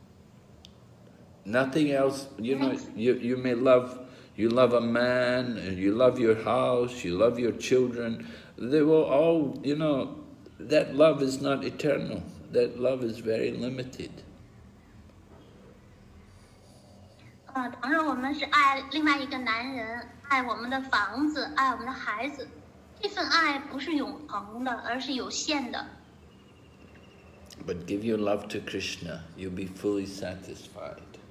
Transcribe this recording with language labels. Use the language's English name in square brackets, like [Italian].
[English] Nothing else, you know, you may love, you love a man, and you love your house, you love your children, they will all, you know, that love is not eternal, that love is very limited. [Chinese] 同时我们是爱另外一个男人，爱我们的房子，爱我们的孩子，这份爱不是永恒的，而是有限的。 [English] But give your love to Krishna, you'll be fully satisfied.